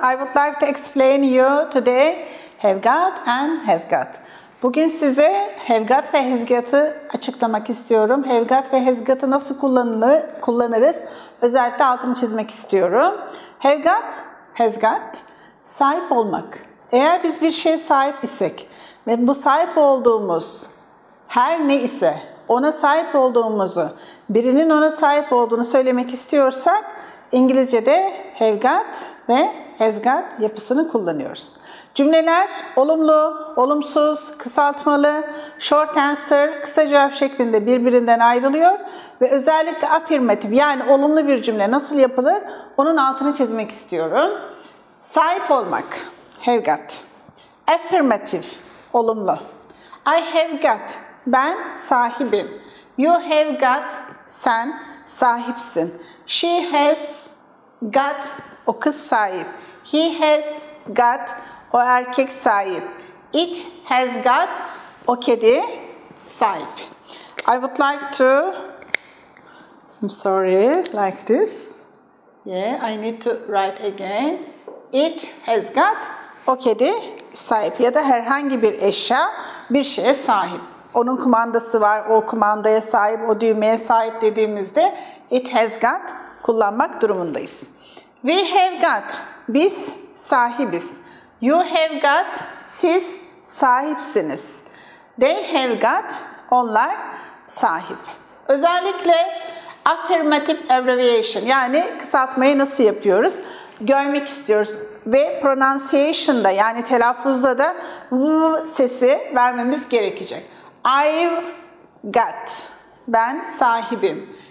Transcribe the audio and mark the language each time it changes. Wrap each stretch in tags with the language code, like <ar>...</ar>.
<en>I would like to explain you today have got and has got.</en> <tr>Bugün size have got ve has got'ı açıklamak istiyorum. Have got ve has got'ı nasıl kullanırız? Özellikle altını çizmek istiyorum. Have got, has got, sahip olmak. Eğer biz bir şeye sahip isek ve bu sahip olduğumuz her ne ise ona sahip olduğumuzu, birinin ona sahip olduğunu söylemek istiyorsak İngilizce'de have got ve has got yapısını kullanıyoruz. Cümleler olumlu, olumsuz, kısaltmalı, short answer, kısa cevap şeklinde birbirinden ayrılıyor. Ve özellikle afirmatif yani olumlu bir cümle nasıl yapılır onun altını çizmek istiyorum. Sahip olmak, have got. Affirmative, olumlu.</tr> <en>I have got,</en> <tr>ben sahibim.</tr> <en>You have got,</en> <tr>sen sahipsin.</tr> <en>She has got,</en> <tr>o kız sahip.</tr> <en>He has got,</en> <tr>o erkek sahip.</tr> <en>It has got,</en> <tr>o kedi sahip.</tr> <en>I would like to, I'm sorry, like this. Yeah, I need to write again. It has got,</en> <tr>o kedi sahip. Ya da herhangi bir eşya, bir şeye sahip. Onun kumandası var, o kumandaya sahip, o düğmeye sahip dediğimizde</tr> <en>it has got</en> <tr>kullanmak durumundayız.</tr> <en>We have got,</en> <tr>biz sahibiz.</tr> <en>You have got,</en> <tr>siz sahipsiniz.</tr> <en>They have got,</en> <tr>onlar sahip. Özellikle affirmative abbreviation yani kısaltmayı nasıl yapıyoruz? Görmek istiyoruz ve pronunciation'da yani telaffuzda da v sesi vermemiz gerekecek.</tr> <en>I've got,</en> <tr>ben sahibim.</tr>